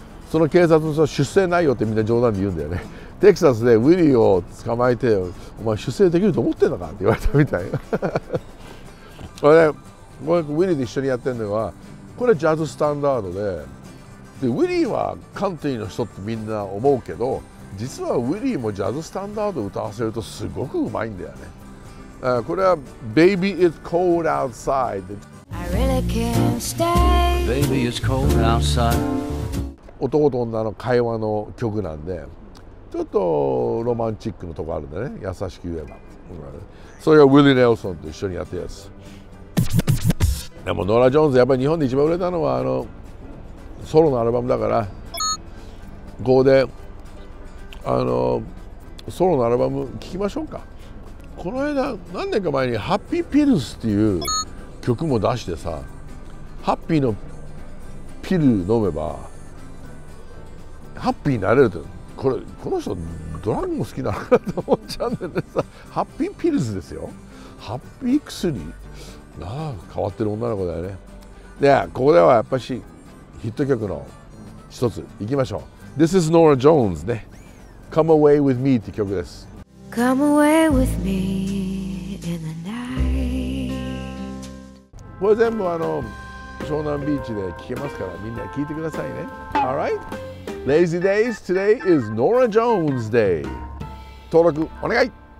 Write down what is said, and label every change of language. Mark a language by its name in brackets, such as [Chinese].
[Japanese] その警察の人は出生ないよってみんな冗談で言うんだよね。テキサスでウィリーを捕まえて、お前出生できると思ってんのかって言われたみたいな、ね、ウィリーで一緒にやってるのはこれはジャズスタンダードで、でウィリーはカントリーの人ってみんな思うけど、実はウィリーもジャズスタンダード歌わせるとすごくうまいんだよね。これは Baby It's Cold Outside。 [English] I really can't stay. Baby It's Cold Outside。 [Japanese] 男と女の会話の曲なんで、ちょっとロマンチックのとこあるんだね、優しく言えば。それがウィリー・ネルソンと一緒にやってるやつ。でもノラ・ジョーンズやっぱり日本で一番売れたのはあのソロのアルバムだから、ここであのソロのアルバム聴きましょうか。この間何年か前にハッピーピルスっていう曲も出してさ、ハッピーのピル飲めばハッピーになれるって、これこの人ドラッグも好きなのかなと思っちゃうんだよね。さ、ハッピーピルズですよ、ハッピー薬。なあ、変わってる女の子だよね。で、ここではやっぱりヒット曲の一つ行きましょう。 [English] This is Norah Jones ね、 Come Away With Me [Japanese] って曲です。 [English] Come Away With Me In The Night、 [Japanese] これ全部湘南ビーチで聴けますから、みんな聴いてくださいね。 [English] Alright Lazy Days Today is Norah Jones Day。 [Japanese] 登録お願い。